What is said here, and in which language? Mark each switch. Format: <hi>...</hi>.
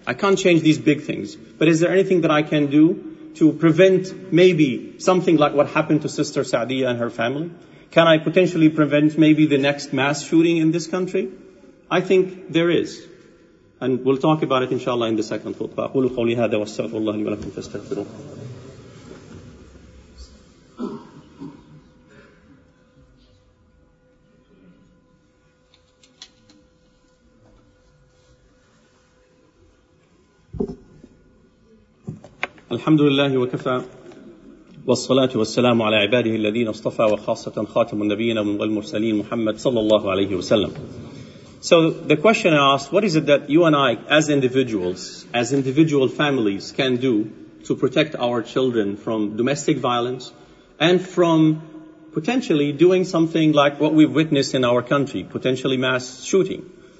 <en>I can't change these big things, but is there anything that I can do to prevent maybe something like what happened to Sister Saadia and her family? Can I potentially prevent maybe the next mass shooting in this country? I think there is. And we'll talk about it inshallah in the second khutbah.</en> <ar>أقول قولي هذا واستغفر الله لي ولكم فاستغفروه. الحمد لله وكفى والصلاة والسلام على عباده الذين اصطفى وخاصة خاتم النبيين والمرسلين محمد صلى الله عليه وسلم.</ar> <en>So the question I asked, what is it that you and I as individuals, as individual families can do to protect our children from domestic violence and from potentially doing something like what we've witnessed in our country, potentially mass shooting?</en>